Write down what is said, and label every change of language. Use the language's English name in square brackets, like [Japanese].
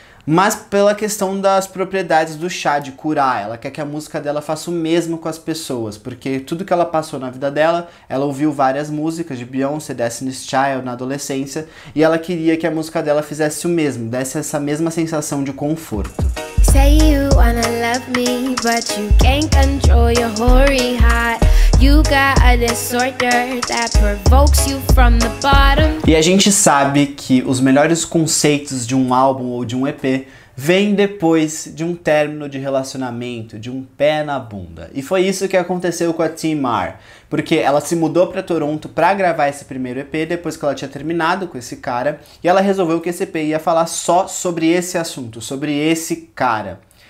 [Portuguese] Mas pela questão das propriedades do chá, de curar, ela quer que a música dela faça o mesmo com as pessoas, porque tudo que ela passou na vida dela, ela ouviu várias músicas de Beyoncé, Destiny's Child, na adolescência, e ela queria que a música dela fizesse o mesmo, desse essa mesma sensação de conforto. [English] Say you wanna love me, but you can't control your hoary heart. You got a disorder that provokes you from the bottom. [Portuguese] E a gente sabe que os melhores conceitos de um álbum ou de um EP vêm depois de um término de relacionamento, de um pé na bunda. E foi isso que aconteceu com a Teamarrr, porque ela se mudou pra Toronto pra gravar esse primeiro EP depois que ela tinha terminado com esse cara, e ela resolveu que esse EP ia falar só sobre esse assunto, sobre esse cara.